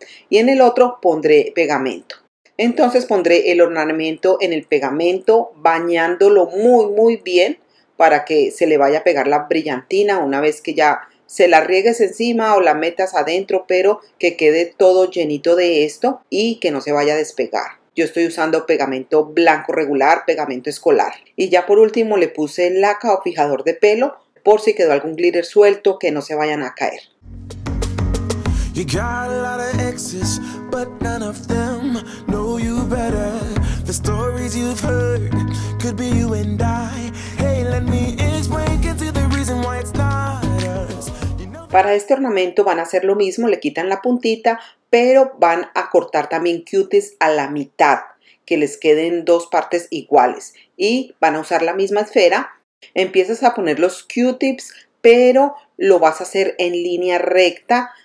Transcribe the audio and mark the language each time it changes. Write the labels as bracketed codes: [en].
[es] Y en el otro pondré pegamento. Entonces pondré el ornamento en el pegamento bañándolo muy muy bien para que se le vaya a pegar la brillantina una vez que ya se la riegues encima o la metas adentro, pero que quede todo llenito de esto y que no se vaya a despegar. Yo estoy usando pegamento blanco regular, pegamento escolar. Y ya por último le puse laca o fijador de pelo por si quedó algún glitter suelto que no se vayan a caer. [en] You got a lot of exes, but none of them know you better. The stories you've heard could be you and I. Hey, let me explain, can't see the reason why it's not us. [es] Para este ornamento van a hacer lo mismo, le quitan la puntita, pero van a cortar también cutis a la mitad, que les queden dos partes iguales. Y van a usar la misma esfera. Empiezas a poner los cutis, pero lo vas a hacer en línea recta.